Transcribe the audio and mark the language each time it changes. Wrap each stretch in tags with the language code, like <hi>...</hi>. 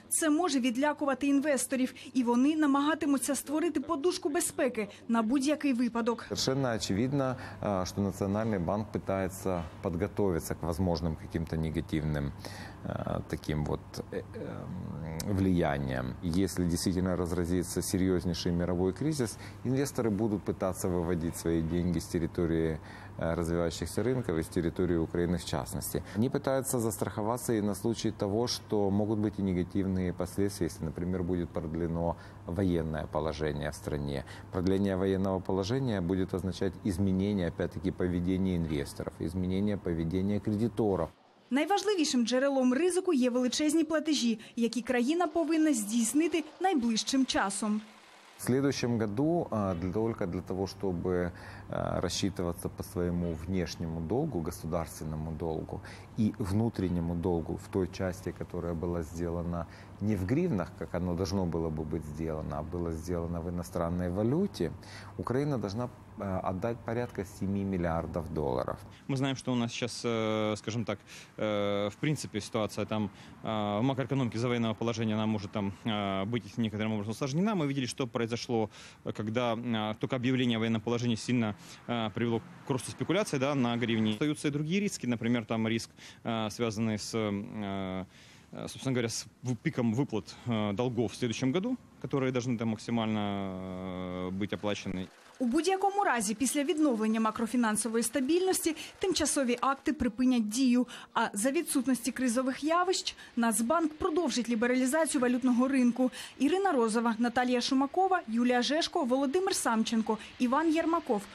<uk>Це може відлякувати інвесторів, і вони намагатимуться створити подушку безпеки на будь-який випадок.</uk> <ru>Совершенно очевидно,</ru> <uk>що Національний банк намагається підготуватися до можливих якихось негативних</uk> <ru>таким вот влиянием. Если действительно разразится серьезнейший мировой кризис, инвесторы будут пытаться выводить свои деньги с территории развивающихся рынков и с территории Украины в частности. Они пытаются застраховаться и на случай того, что могут быть и негативные последствия, если, например, будет продлено военное положение в стране. Продление военного положения будет означать изменение, опять-таки, поведения инвесторов, изменение поведения кредиторов.</ru> <uk>Найважливішим джерелом ризику є величезні платежі, які країна повинна здійснити найближчим часом.</uk> <ru>В следующем году, только для того, чтобы рассчитываться по своему внешнему долгу, государственному долгу и внутреннему долгу в той части, которая была сделана не в гривнах, как оно должно было бы быть сделано, а было сделано в иностранной валюте, Украина должна отдать порядка 7 миллиардов долларов. Мы знаем, что у нас сейчас, скажем так, в принципе ситуация там в макроэкономике за военного положения, она может там быть некоторым образом усложнена. Мы видели, что произошло, когда только объявление о военном положении сильно привело к росту спекуляций, да, на гривне. Остаются и другие риски, например, там риск, связанный с, собственно говоря, с пиком выплат долгов в следующем году, которые должны там максимально быть оплачены.</ru> <uk>У будь-якому разі після відновлення макрофінансової стабільності тимчасові акти припинять дію. А за відсутності кризових явищ Нацбанк продовжить лібералізацію валютного ринку. Ірина Розова, Наталія Шумакова, Юлія Жешко, Володимир Самченко, Іван Єрмаков.</uk>